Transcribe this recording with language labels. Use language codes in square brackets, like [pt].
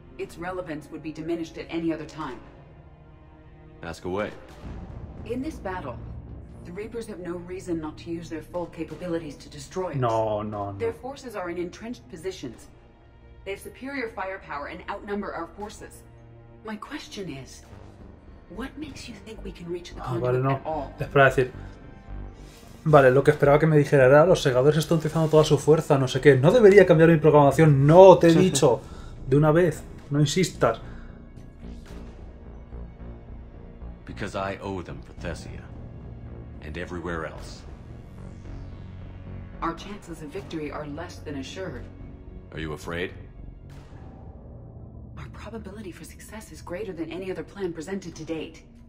[es] Su relevancia sería disminuida en cualquier otro momento. [en] Ask away. In this battle, the Reapers have no reason not to use their full capabilities to destroy us. No. Their forces are in entrenched positions. They have superior firepower and outnumber our forces. My question is, what makes you think we can reach the conduit at all? [es] Espera, es decir, vale, lo que esperaba que me dijera era, los segadores están utilizando toda su fuerza, no sé qué. No debería cambiar mi programación, no te he dicho. De una vez, no insistas. [en] Because I owe them for Thessia, and everywhere else. Our chances of victory are less than assured. Are you afraid? Our probability for success is greater than any other plan presented to date.